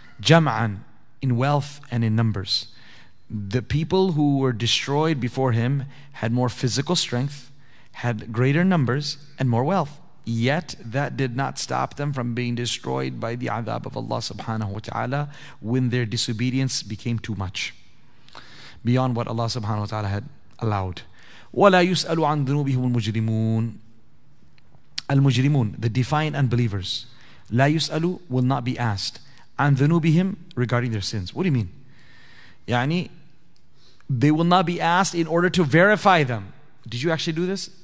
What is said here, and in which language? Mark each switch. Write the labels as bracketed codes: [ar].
[en] جَمْعًا, in wealth and in numbers. The people who were destroyed before him had more physical strength, had greater numbers and more wealth. Yet that did not stop them from being destroyed by the adab of Allah subhanahu wa ta'ala when their disobedience became too much, beyond what Allah subhanahu wa ta'ala had allowed. [ar] وَلَا يُسْأَلُ عَنْ ذُنُوبِهُمُ الْمُجْرِمُونَ, الْمُجْرِمُونَ, [en] the defiant unbelievers. [ar] لَا يُسْأَلُ, [en] will not be asked. [ar] عن ذنوبهم [en] regarding their sins. What do you mean? يعني they will not be asked in order to verify them. Did you actually do this?